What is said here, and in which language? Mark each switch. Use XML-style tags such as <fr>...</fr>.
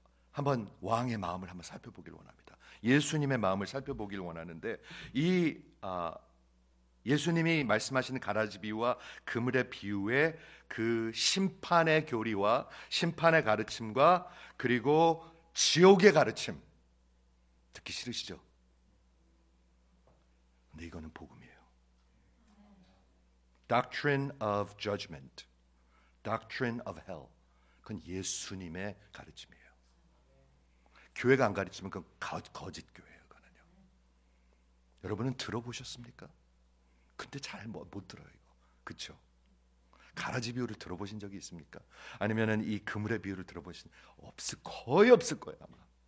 <ko>한번 왕의 마음을 한번 살펴보기를 원합니다. 예수님의 마음을 살펴보기를 원하는데 이 예수님이 말씀하시는 가라지 비유와 그물의 비유의 그 심판의 교리와 심판의 가르침과 그리고 지옥의 가르침 듣기 싫으시죠? 근데 이거는 복음이에요.</ko> <en>Doctrine of judgment, doctrine of hell.</en> <ko>그건 예수님의 가르침이에요. 교회가 안 가르치면 그건 거짓 교회예요. 그거는요. 여러분은 들어보셨습니까? 근데 잘 못 들어요. 이거. 그렇죠? 가라지 비유를 들어보신 적이 있습니까? 아니면은 이 그물의 비유를 들어보신 없을 거의 없을 거예요. 아마.</ko>